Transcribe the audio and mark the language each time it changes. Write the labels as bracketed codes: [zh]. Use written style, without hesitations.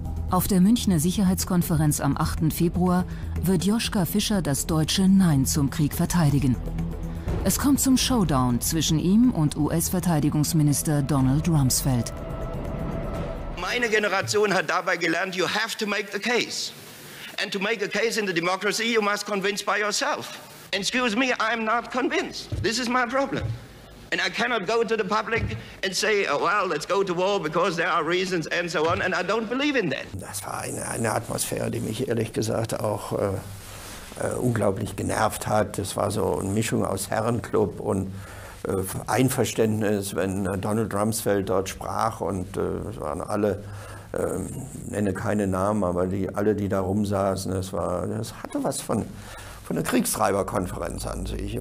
[de] Auf der Münchner Sicherheitskonferenz am 8. Februar wird Joschka Fischer das deutsche Nein zum Krieg verteidigen. Es kommt zum Showdown zwischen ihm und US-Verteidigungsminister Donald Rumsfeld. Meine Generation hat dabei gelernt, [en] you have to make the case. And to make a case in the democracy, you must convince by yourself. Excuse me, I'm not convinced. This is my problem. And I cannot go to the public and say, oh, well, let's go to war because there are reasons and so on. And I don't believe in that. [de] Das war eine Atmosphäre, die mich ehrlich gesagt auch unglaublich genervt hat. Das war so eine Mischung aus Herrenclub und Einverständnis, wenn Donald Rumsfeld dort sprach. Und es waren alle, nenne keine Namen, aber alle, die da rumsaßen, das hatte was von eine Kriegstreiberkonferenz an sich.